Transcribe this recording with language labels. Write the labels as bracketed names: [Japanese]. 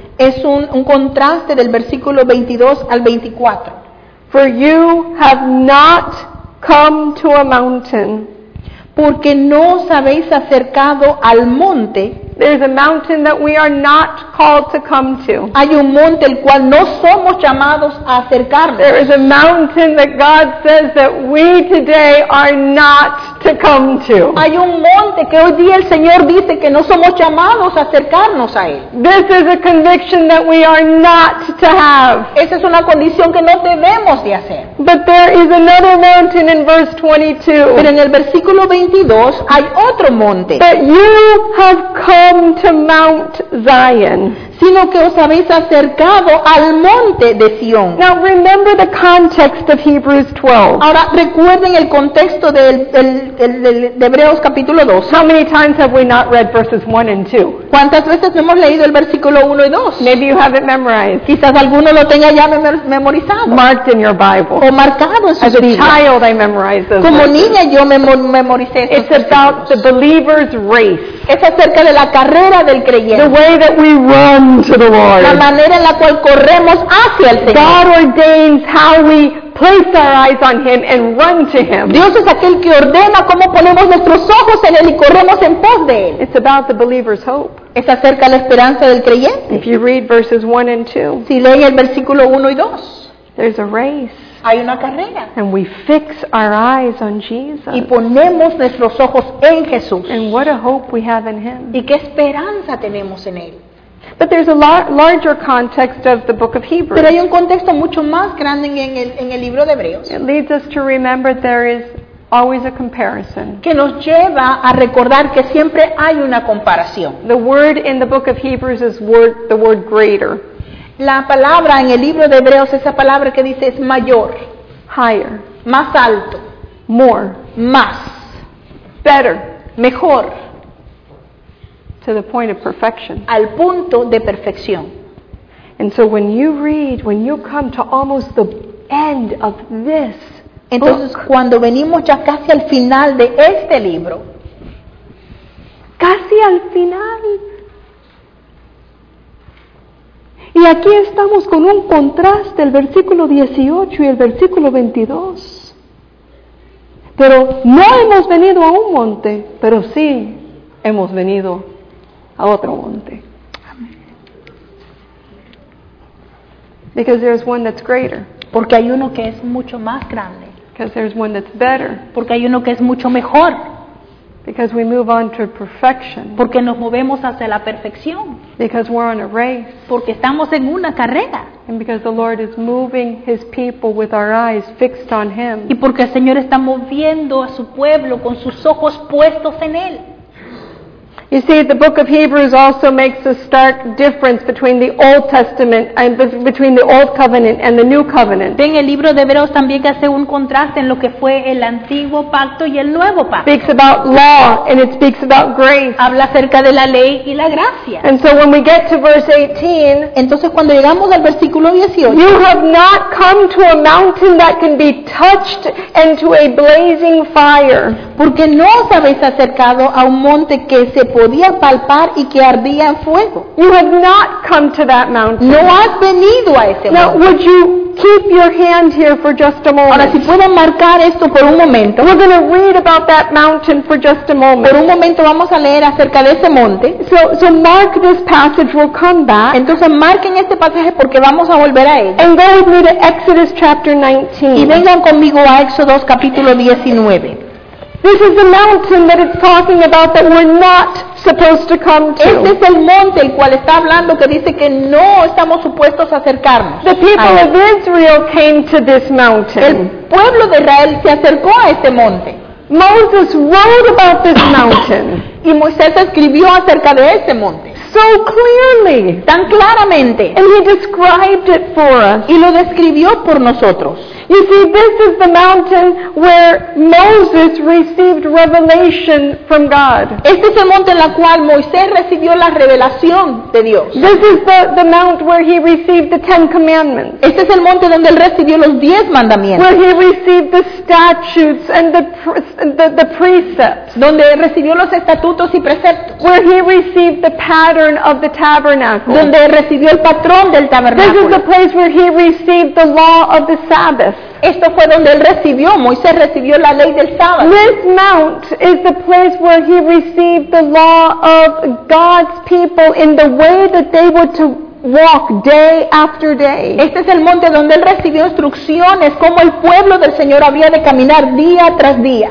[Spanish] Es un contraste del versículo 22 al 24. [English] For you have not come to a mountain. [Spanish] Porque no os habéis acercado al monte. [English] There's a mountain that we are not called to come to. [Spanish] Hay un monte el cual no somos llamados a acercarnos. [English] There is a mountain that God says that we today are not to come to. [Spanish] Hay un monte que hoy día el Señor dice que no somos llamados a acercarnos a él. [English] This is a conviction that we are not to have. [Spanish] Esa es una condición que no debemos de hacer. [English] But there is another mountain in verse 22. [Spanish] Pero en el versículo 22 hay otro monte. [English] That you have come to Mount Zion, [Spanish] sino que os habéis acercado al monte de Sion. [English] Now remember the context of Hebrews 12. [Spanish] Ahora recuerden el contexto de Hebreos capítulo 12. [English] How many times have we not read verses 1 and 2? [Spanish] ¿Cuántas veces no hemos leído el versículo 1 y 2? [English] Maybe you haven't memorized. [Spanish] Quizás alguno lo tenga ya memorizado. [English] Marked in your Bible. [Spanish] O marcado en su [English] as [Spanish] Biblia. [English] A child I memorized those. [Spanish] Como [English] verses. [Spanish] Niña yo memoricé esos. [English] It's about the believer's race. [Spanish] Es acerca de la carrera del creyente. [English] The way that we run to the Lord. [Spanish] La manera en la cual corremos hacia el Señor. [English] God ordains how we place our eyes on Him and run to Him. [Spanish] Dios es aquel que ordena cómo ponemos nuestros ojos en Él y corremos en pos de Él. [English] It's about the believer's hope. [Spanish] Es acerca de la esperanza del creyente. [English] If you read verses 1 and 2. [Spanish] Si leen el versículo 1 y 2. [English] There's a race. [Spanish] Hay una carrera. [English] And we fix our eyes on Jesus. [Spanish] Y ponemos nuestros ojos en Jesús. [English] And what a hope we have in Him. [Spanish] Y qué esperanza tenemos en Él. [English] But there's a larger context of the book of Hebrews. [Spanish] Pero hay un contexto mucho más grande en el libro de Hebreos. [English] It leads us to remember there is always a comparison. [Spanish] Que nos lleva a recordar que siempre hay una comparación. [English] The word in the book of Hebrews is the word greater. [Spanish] La palabra en el libro de Hebreos, esa palabra que dice es mayor. [English] Higher. [Spanish] Más alto. [English] More. [Spanish] Más. [English] Better. [Spanish] Mejor. [English] To the point of perfection. [Spanish] Al punto de perfección. [English] And so when you come to almost the end of this [Spanish] entonces [English] book, [Spanish] cuando venimos ya casi al final de este libro, casi al final, y aquí estamos con un contraste, el versículo 18 y el versículo 22. Pero no hemos venido a un monte, pero sí hemos venido a otro monte. [English] Because there's one that's greater. [Spanish] Porque hay uno que es mucho más grande. [English] Because there's one that's better. [Spanish] Porque hay uno que es mucho mejor. [English] Because we move on to perfection. [Spanish] Porque nos movemos hacia la perfección. [English] Because we're on a race. [Spanish] Porque estamos en una carrera. [English] And because the Lord is moving His people with our eyes fixed on Him. [Spanish] Y porque el Señor está moviendo a su pueblo con sus ojos puestos en Él. [English] You see, the book of Hebrews also makes a stark difference between the Old Testament and between the Old Covenant and the New Covenant. [Spanish] Ven, el libro de Hebreos también hace un contraste en lo que fue el antiguo pacto y el nuevo pacto. [English] It speaks about law and it speaks about grace. [Spanish] Habla acerca de la ley y la gracia. [English] And so when we get to verse 18, [Spanish] entonces cuando llegamos al versículo 18, [English] you have not come to a mountain that can be touched and to a blazing fire. [Spanish] Porque no os habéis acercado a un monte que se podía palpar y que ardía en fuego. [English] You have not come to that mountain. [Spanish] No has venido a ese monte. [English] Now, would you keep your hand here for just a moment? [Spanish] Ahora, si pueden marcar esto por un momento. [English] We're going to read about that mountain for just a moment. [Spanish] Por un momento vamos a leer acerca de ese monte. [English] So mark this passage. We'll come back. [Spanish] Entonces marquen este pasaje porque vamos a volver a él. [English] And go with me to Exodus chapter 19. [Spanish] Y vengan conmigo a Éxodo capítulo 19. [English] This is the mountain that it's talking about that we're not supposed to come to. [Spanish] Este es el monte el cual está hablando que dice que no estamos supuestos a acercarnos. [English] The people of Israel came to this mountain. [Spanish] El pueblo de Israel se acercó a este monte. [English] Moses wrote about this mountain. [Spanish] Y Moisés escribió acerca de este monte. [English] So clearly. [Spanish] Tan claramente. [English] And he described it for us. [Spanish] Y lo describió por nosotros. [English] You see, this is the mountain where Moses received revelation from God. [Spanish] Este es el monte en el cual Moisés recibió la revelación de Dios. [English] This is the mount where he received the Ten Commandments. [Spanish] Este es el monte donde él recibió los diez mandamientos. [English] Where he received the statutes and the precepts. [Spanish] Donde él recibió los estatutos y preceptos. [English] Where he received the pattern of the tabernacle. [Spanish] Donde él recibió el patrón del tabernáculo. [English] This is the place where he received the law of the Sabbath. [Spanish] Esto fue donde él recibió, Moisés recibió la ley del sábado. [English] This mount is the place where he received the law of God's people in the way that they were to walk day after day. [Spanish] Este es el monte donde él recibió instrucciones cómo el pueblo del Señor había de caminar día tras día.